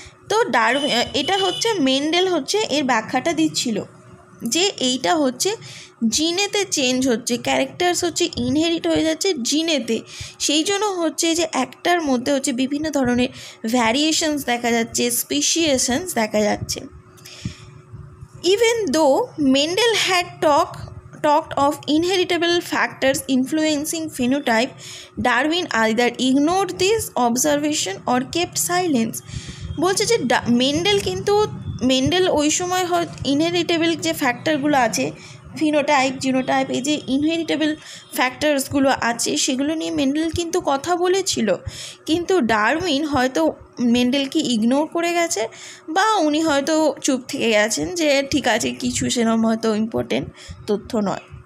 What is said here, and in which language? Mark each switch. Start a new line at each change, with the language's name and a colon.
Bangla: তো এটা হচ্ছে মেন্ডেল হচ্ছে এর ব্যাখ্যাটা দিচ্ছিল যে এইটা হচ্ছে জিনেতে চেঞ্জ হচ্ছে, ক্যারেক্টার্স হচ্ছে ইনহেরিট হয়ে যাচ্ছে জিনেতে, সেই জন্য হচ্ছে যে একটার মধ্যে হচ্ছে বিভিন্ন ধরনের ভ্যারিয়েশনস দেখা যাচ্ছে, স্পিসিয়েশনস দেখা যাচ্ছে।
English: Even though Mendel had talked of inheritable factors influencing phenotype, Darwin either ignored this observation or kept silence.
Bangla: বলছে যে মেন্ডেল কিন্তু মেন্ডেল ওই সময় হয় ইনহেরিটেবল যে ফ্যাক্টরগুলো আছে ফিনোটাইপ জিনোটাইপ এই যে ইনহেরিটেবল ফ্যাক্টরসগুলো আছে সেগুলো নিয়ে মেন্ডেল কিন্তু কথা বলেছিল কিন্তু ডারউইন হয়তো মেন্ডেলকে ইগনোর করে গেছে বা উনি হয়তো চুপ থেকে গেছেন যে ঠিক আছে কিছু সেরকম হয়তো ইম্পর্টেন্ট তথ্য নয়।